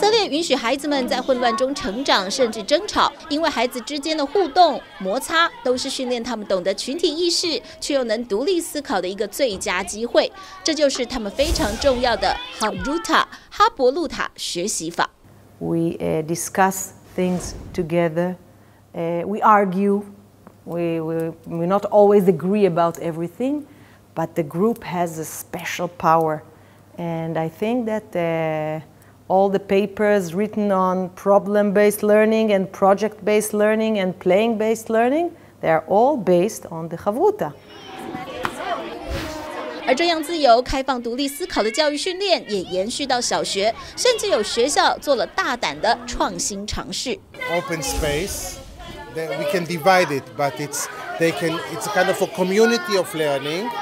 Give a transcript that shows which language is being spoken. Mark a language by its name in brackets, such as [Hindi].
[Chinese] 允许孩子们在混乱中成长，甚至争吵，因为孩子之间的互动摩擦都是训练他们懂得群体意识却又能独立思考的一个最佳机会，这就是他们非常重要的哈伯路塔学习法。 [English] We discuss things together, we argue, we not always agree about everything, but the group has a special power, and I think thatall the papers written on problem-based learning and project-based learning and playing-based learning, they are all based on the Chavruta. [Chinese] 而这样自由、开放、独立思考的教育训练也延续到小学，甚至有学校做了大胆的创新尝试。 [English] Open space, we can divide it, but it's kind of a community of learning.